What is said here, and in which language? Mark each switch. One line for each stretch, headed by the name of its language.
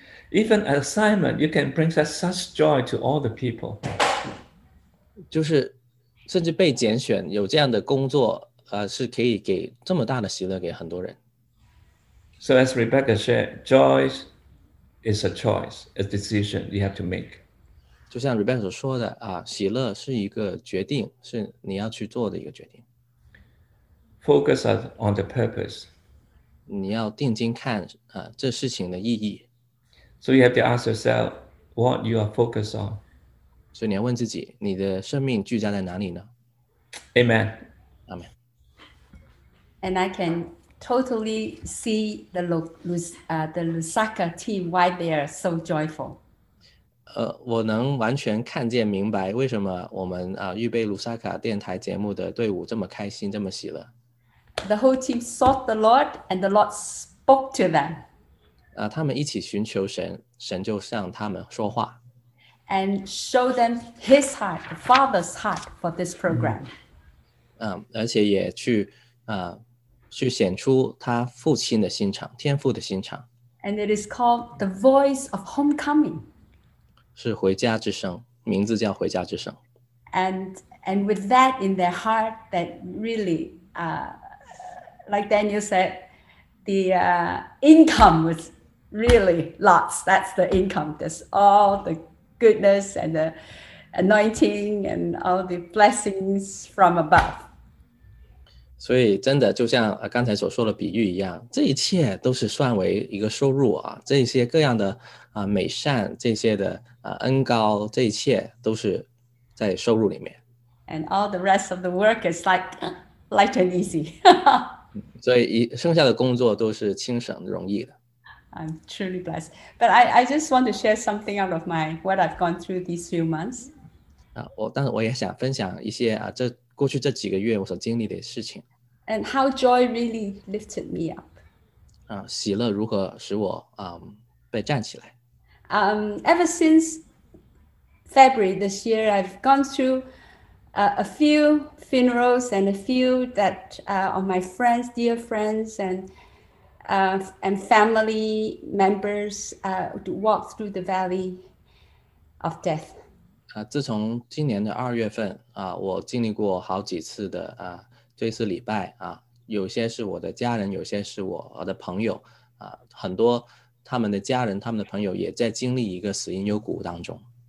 English: Even assignment, you can bring such joy to all the people.
Chinese: 就是甚至被拣选有这样的工作，是可以给这么大的喜乐给很多人。
English: So as Rebecca said, joys. It's a choice, a decision you have to make.
Chinese: 就像 Rebecca 所说的喜乐是一个决定，是你要去做的一个决定。
English: Focus on the purpose.
Chinese: 你要定睛看这事情的意义。
English: So you have to ask yourself what you are focused on.
Chinese: 所以你要问自己，你的生命聚焦在哪里呢？
English: Amen. Amen. And I can... totally see the Lusaka team why they are so joyful.
Chinese: 我能完全看见明白为什么我们预备 Lusaka 电台节目的队伍这么开心，这么喜乐。
English: The whole team sought the Lord, and the Lord spoke to them.
Chinese: 他们一起寻求神，神就向他们说话。
English: And show them His heart, the Father's heart for this program.
Chinese: 而且也去显出他父亲的心肠，天父的心肠。
English: And it is called the voice of homecoming.
Chinese: 是回家之声，名字叫回家之声。
English: And with that in their heart, that really, like Daniel said, the income was really lots. That's the income. That's all the goodness and the anointing and all the blessings from above.
Chinese: 所以真的就像刚才所说的比喻一样，这一切都是算为一个收入啊，这些各样的美善，这些的恩膏，这一切都是在收入里面。
English: And all the rest of the work is like light and easy.
Chinese: 所以剩下的工作都是轻省容易的。
English: I'm truly blessed. But I just want to share something out of what I've gone through these few months.
Chinese: 但是我也想分享一些这过去这几个月我所经历的事情。
English: And how joy really lifted me up.
Chinese: 喜乐如何使我被站起来。
English: Ever since February this year, I've gone through a few funerals and a few that of my friends, dear friends, and family members to walk through the valley of death.
Chinese: 自从今年的二月份我经历过好几次的追思礼拜有些是我的家人，有些是我的朋友很多他们的家人，他们的朋友也在经历一个死因幽谷当中。